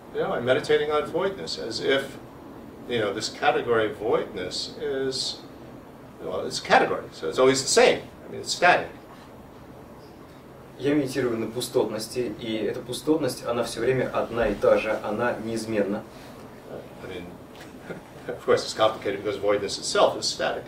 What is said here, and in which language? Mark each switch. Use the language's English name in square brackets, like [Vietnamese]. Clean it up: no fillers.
[English] Yeah, I'm meditating on voidness, as if, you know, this category of voidness is, well, it's a category, so it's always the same. I mean, it's static. [Russian] Я медитирую на пустотности, и эта пустотность, она все время одна и та же, она неизменна. [English] I mean, of course, it's complicated because voidness itself is static.